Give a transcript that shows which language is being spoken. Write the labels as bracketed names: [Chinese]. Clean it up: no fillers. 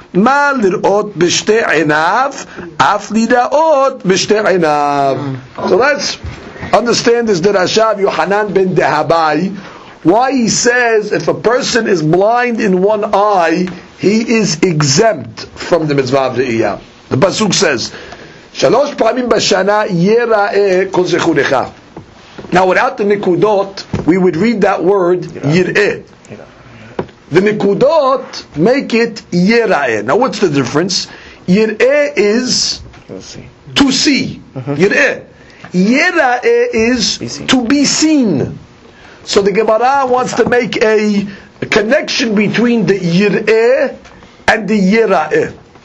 [Hebrew] מה לראות בשתי עיניו? אף לראות בשתי עיניו. [English] So let's understand this דרשה of Yohanan ben Dehabai. Why he says if a person is blind in one eye, he is exempt from the mitzvah of ראייה. The pasuk says, [Hebrew] שלוש פעמים בשנה יראה כל זכורך. [English] Now without the נקודות, we would read that word יראה. The nekudot make it yira'e. Now what's the difference? Yira'e is to see. Yira'e. Yira'e is to be seen. So the Gemara wants to make a connection between the yira'e and the yira'e.